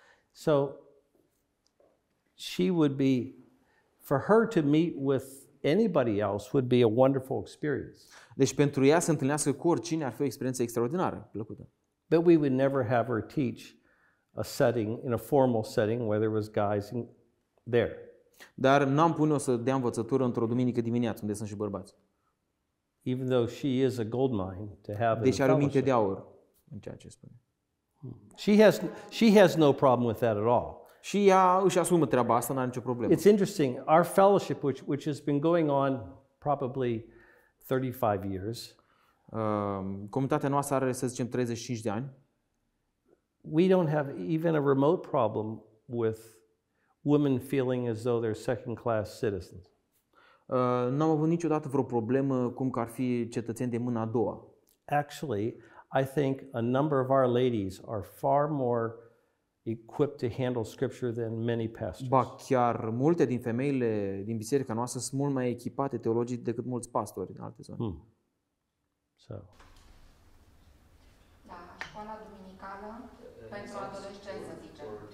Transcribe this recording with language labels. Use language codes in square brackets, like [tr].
[en] So she would be, for her to meet with anybody else would be a wonderful experience. [ro] Deci pentru ea să întâlnească cu oricine ar fi o experiență extraordinară, plăcută. [en] But we would never have her teach a setting in a formal setting where there was guys there. [ro] Dar n-am pune-o să dea învățătură într-o duminică dimineață unde sunt și bărbați. [en] Even though she is a gold mine to have. [ro] Deci are o minte de aur în ceea ce spune. [en] She has no problem with that at all. [ro] Și ea își asumă treaba asta, n-are nicio problemă. [en] It's interesting. Our fellowship which has been going on probably 35 years. [ro] Comunitatea noastră are, să zicem, 35 de ani. [en] We don't have even a remote problem with women feeling as though they're second class citizens. [ro] N-am avut niciodată vreo problemă cum că ar fi cetățeni de mâna a doua. [en] Actually, I think a number of our ladies are far more equipped to handle scripture than many pastors. [ro] Ba chiar multe din femeile din biserica noastră sunt mult mai echipate teologic decât mulți pastori din alte zone. [en] So. [ro] Da, școala duminicală pentru adolescenți, să zicem.